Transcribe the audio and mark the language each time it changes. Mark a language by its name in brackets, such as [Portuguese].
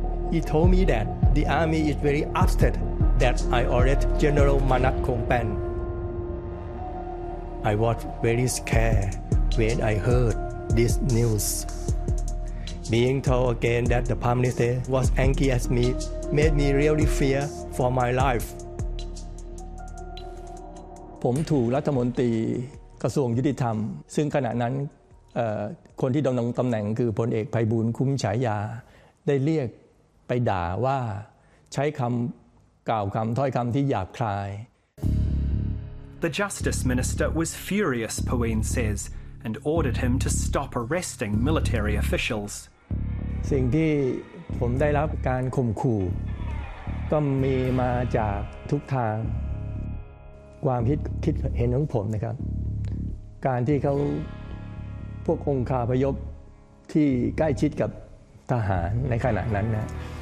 [English] He told me that the army is very upset that I ordered General Manat Kong Pen. I was very scared when I heard this news. Being told again that the Prime Minister was angry at me made me really fear for my life. [Thai] ผมถูกรัฐมนตรีกระทรวงยุติธรรมซึ่งขณะนั้นคนที่ดำรงตำแหน่งคือพลเอกไพบูลย์คุ้มฉายาได้เรียกไปด่าว่าใช้คำกล่าวคำถ้อยคำที่หยาบคาย [English] The Justice Minister was furious, Paween says, and ordered him to stop arresting military officials. [Thai] สิ่งที่ผมได้รับการข่มขู่ก็มีมาจากทุกทางความคิดเห็นของผมนะครับการที่เขาพวกองค์คาพยพที่ใกล้ชิดกับทหารในขณะนั้นนะ